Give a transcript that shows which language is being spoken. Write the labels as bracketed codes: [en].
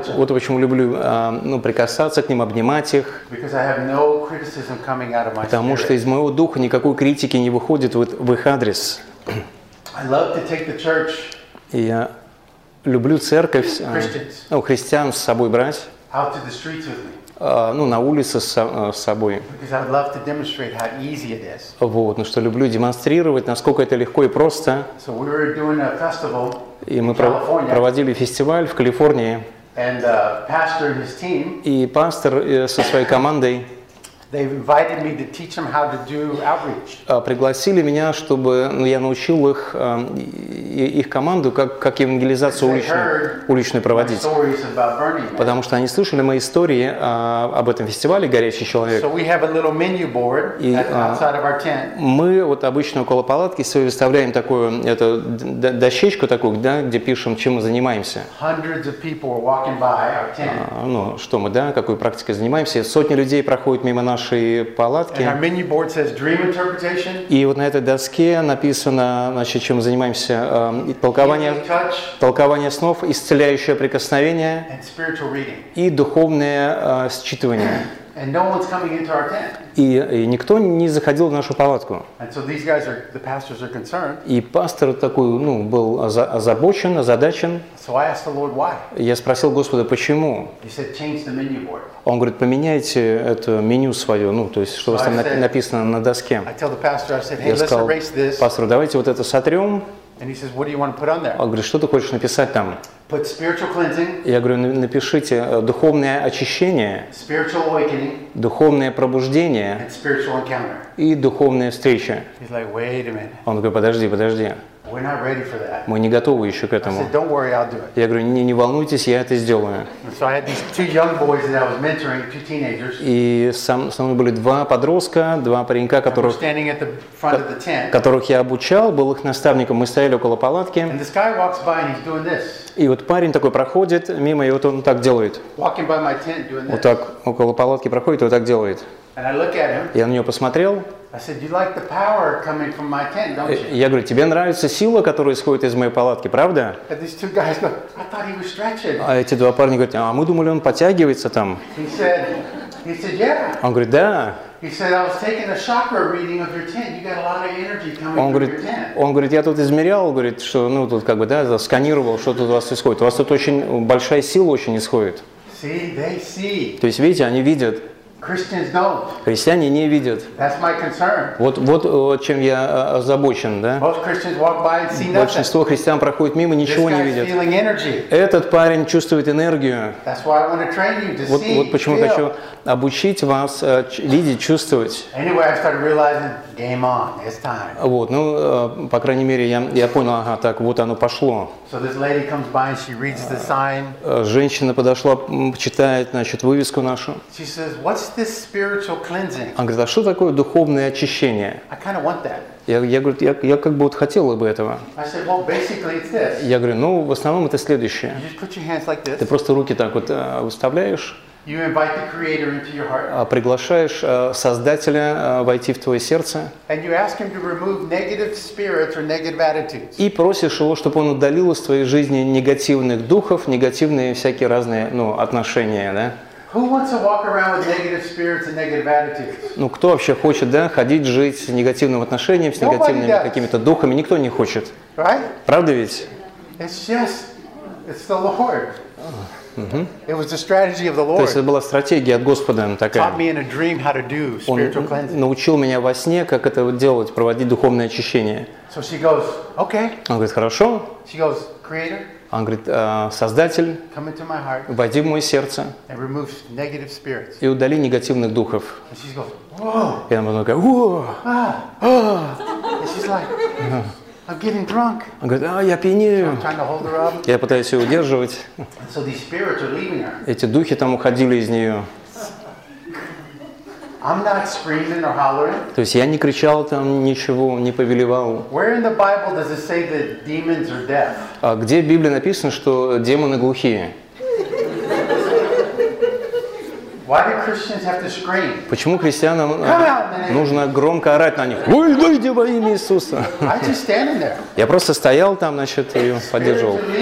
[ru] вот, вот почему люблю прикасаться к ним, обнимать их. [en] Because I have no criticism coming out of my [ru] Потому [en] spirit. [ru] Что из моего духа никакой критики не выходит в их адрес. [en] I love to take the church. [ru] И я люблю церковь, христиан с собой брать. [en] Out to the streets with me. [ru] На улице с собой. [en] Because I'd love to demonstrate how easy it is. [ru] Вот, что люблю демонстрировать, насколько это легко и просто. [en] So we were doing a festival [ru] и мы проводили фестиваль в Калифорнии. [en] And, pastor and his team, [ru] и пастор со своей командой [en] they invited me to teach them how to do outreach. [ru] Пригласили меня, чтобы я научил их, их команду, как евангелизацию уличную проводить. [en] Stories about Burning Man. [ru] Потому что они слышали мои истории об этом фестивале «Горящий человек». [en] So we have a little menu board outside of our tent. [ru] Мы вот обычно около палатки себе выставляем такую эту дощечку такую, да, где пишем, чем мы занимаемся. [en] Hundreds of people are walking by our tent. [ru] Что мы, да, какой практикой занимаемся. Сотни людей проходят мимо нашей палатки. [en] And our menu board says dream interpretation. [ru] И вот на этой доске написано, значит, чем мы занимаемся, толкование снов, исцеляющее прикосновение [en] and spiritual reading. [ru] И духовное считывание. [en] And no one's coming into our tent. [ru] И никто не заходил в нашу палатку. [en] And so these guys are, the pastors are concerned. [ru] И пастор такой, был озабочен, озадачен. [en] So I asked the Lord why. [ru] Я спросил Господа, почему? [en] He said, change the menu board. [ru] Он говорит, поменяйте это меню свое, то есть, что у вас там написано на доске. [en] I tell the pastor, I said, hey, let's erase this. [ru] Я сказал, пастор, давайте вот это сотрем. [en] And he says, what do you want to put on there? [ru] Он говорит, что ты хочешь написать там? [en] Put spiritual cleansing. [ru] Я говорю, напишите духовное очищение. [en] Spiritual awakening. [ru] Духовное пробуждение. [en] And spiritual encounter. [ru] И духовная встреча. [en] He's like, wait a minute. [ru] Он говорит, подожди. [en] We're not ready for that. [ru] Мы не готовы еще к этому. [en] I said, don't worry, I'll do it. [ru] Я говорю, не волнуйтесь, я это сделаю. [en] And so I had these two young boys that I was mentoring, two teenagers. [ru] И со мной были два подростка, два паренька, которых, [en] standing at the front of the tent. [ru] Которых я обучал, был их наставником. Мы стояли около палатки. [en] And this guy walks by and he's doing this. [ru] И вот парень такой проходит мимо, и вот он так делает. [en] Walking by my tent, doing this. [ru] Вот так около палатки проходит, и вот так делает. [en] And I look at him. [ru] Я на него посмотрел. [en] I said, you like the power coming from my tent, don't you? [ru] Я говорю, тебе нравится сила, которая исходит из моей палатки, правда? [en] And these two guys go, I thought he was stretching. [ru] А эти два парня говорят, мы думали, он подтягивается там. [en] He said, yeah. [ru] Он говорит, да. [en] He said, I was taking a chakra reading of your tent. You got a lot of energy coming from your tent. [ru] Он говорит, я тут измерял, говорит, что тут как бы сканировал, что тут у вас исходит. У вас тут очень большая сила очень исходит. [en] See, they see. [ru] То есть видите, они видят. [en] Christians don't. [ru] Христиане не видят. [en] That's my concern. [ru] Вот чем я озабочен, да? [en] Most Christians walk by and see nothing. [ru] Большинство христиан проходит мимо, ничего не видят. [en] This guy's feeling energy. [ru] Этот парень чувствует энергию. [en] That's why I want to train you to see. [ru] Вот почему хочу обучить вас видеть, чувствовать. [en] Anyway, I started realizing, game on, it's time. [ru] По крайней мере, я понял, так вот оно пошло. [en] So this lady comes by and she reads the sign. [ru] Женщина подошла, читает, вывеску нашу. [en] She says, what's this spiritual cleansing? [ru] Она говорит, а что такое духовное очищение? [en] I kind of want that. [ru] Я говорю, я как бы хотел бы этого. [en] I said, well, basically it's this. [ru] Я говорю, в основном это следующее. [en] You just put your hands like this. [ru] Ты просто руки так вот выставляешь. [en] You invite the creator into your heart. [ru] Приглашаешь создателя войти в твое сердце. [en] And you ask him to remove negative spirits or negative attitudes. [ru] И просишь его, чтобы он удалил из твоей жизни негативных духов, негативные всякие разные, отношения, да? [en] Who wants to walk around with negative spirits and negative attitudes? [ru] Кто вообще хочет, да, ходить, жить с негативным отношением, с негативными какими-то духами? Никто не хочет. [en] Right? [ru] Правда ведь? [en] It's the Lord. It was the strategy of the Lord. [ru] То есть это была стратегия от Господа такая. [en] Taught me in a dream how to do spiritual cleansing. [ru] Он научил меня во сне, как это делать, проводить духовное очищение. [en] So she goes, okay. [ru] Он говорит, хорошо. [en] She goes, creator. [ru] Он говорит, создатель. [en] Come into my heart. [ru] Войди в мое сердце. [en] And remove negative spirits. [ru] И удали негативных духов. [en] And she goes, whoa. [ru] И она такая, whoa. [en] And she's like, I'm getting drunk. [ru] Он говорит, я пьянею. [en] So I'm trying to hold her up. [ru] Я пытаюсь ее удерживать. [en] So these spirits are leaving her. [ru] Эти духи там уходили из нее. [en] I'm not screaming or hollering. [ru] То есть я не кричал там ничего, не повелевал. [en] Where in the Bible does it say that demons are deaf? [ru] А где в Библии написано, что демоны глухие? [en] Why do Christians have to scream? [ru] Почему христианам нужно громко орать на них? Выйди во имя Иисуса! Я просто стоял там, значит, и поддерживал.